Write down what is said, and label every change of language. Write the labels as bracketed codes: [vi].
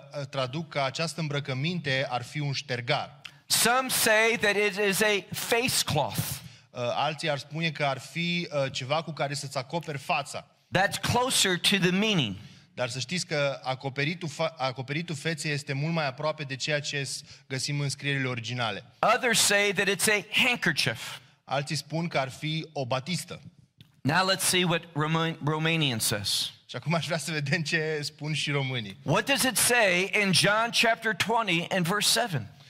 [ro] Traduc această îmbrăcăminte ar fi un ștergar. [en] Some say that it is a face cloth. [ro] Alții ar spune că ar fi ceva cu care să-ți acoperi fața. [en] That's closer to the meaning. [ro] Dar să știți că acoperitul feței este mult mai aproape de ceea ce găsim în scrierile originale. [en] Others say that it's a handkerchief. [ro] Alții spun că ar fi o batistă. [en] Now let's see what Romanian says. [ro] Și acum aș vrea să vedem ce spun și românii. [en] What does it say in John chapter 20 and verse 7?